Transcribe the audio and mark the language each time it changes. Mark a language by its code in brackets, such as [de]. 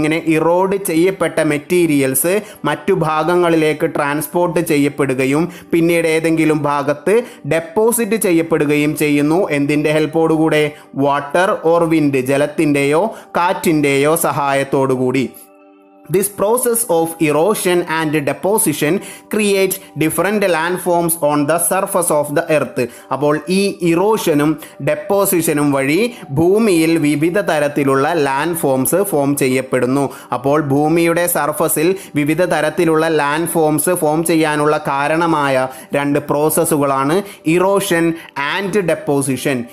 [ml] ഇങ്ങനെ ഇറോഡ് ചെയ്യപ്പെട്ട മെറ്റീരിയൽസ് മറ്റു ഭാഗങ്ങളിലേക്ക് ട്രാൻസ്പോർട്ട് ചെയ്യപ്പെടുകയും പിന്നീട് ഏതെങ്കിലും ഭാഗത്ത് ഡെപ്പോസിറ്റ് ചെയ്യപ്പെടുകയും ചെയ്യുന്നു. എന്തിൻ്റെ ഹെൽപ്പോടുകൂടെ? [en] water or wind, [ml] ജലത്തിൻ്റെയോ കാറ്റിൻ്റെയോ സഹായത്തോടുകൂടി. [en] This process of erosion and deposition create different landforms on the surface of the earth. [ml] അപ്പോൾ ഈ ഇറോഷനും ഡെപ്പോസിഷനും വഴി ഭൂമിയിൽ വിവിധ തരത്തിലുള്ള ലാൻഡ് ഫോംസ് ഫോം ചെയ്യപ്പെടുന്നു. അപ്പോൾ ഭൂമിയുടെ സർഫസിൽ വിവിധ തരത്തിലുള്ള ലാൻഡ് ഫോംസ് ഫോം ചെയ്യാനുള്ള കാരണമായ രണ്ട് പ്രോസസ്സുകളാണ് ഇറോഷൻ ആൻഡ് ഡെപ്പോസിഷൻ.